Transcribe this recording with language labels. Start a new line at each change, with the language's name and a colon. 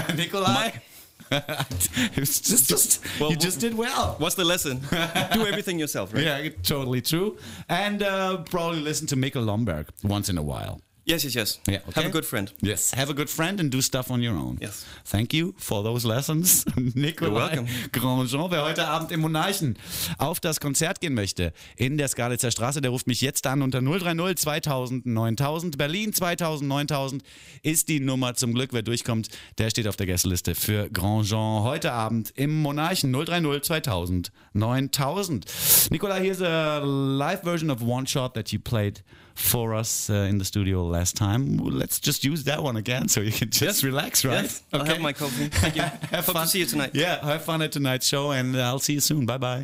English: Nikolai... It's just well, you just did well. What's the lesson? Do everything yourself, right? Yeah, totally true. And probably listen to Mikkel Lomberg once in a while. Yes. Yeah, okay? Have a good friend. Yes, have a good friend and do stuff on your own. Yes. Thank you for those lessons, Nikolai. You're welcome.
German: Grandjean, wer heute Abend im Monarchen auf das Konzert gehen möchte in der Skalitzer Straße, der ruft mich jetzt an unter 030 2000 9000. Berlin 2000 9000 ist die Nummer. Zum Glück, wer durchkommt, der steht auf der Gästeliste für Grandjean heute Abend im Monarchen 030 2000 9000.
English: Nikolai, here's a live version of One Shot that you played for us in the studio last time. Let's just use that one again so you can just relax, right? Yes, okay. I'll have my coffee. Thank you. Have Hope fun. To see you tonight. Yeah, have fun at tonight's show and I'll see you soon. Bye-bye.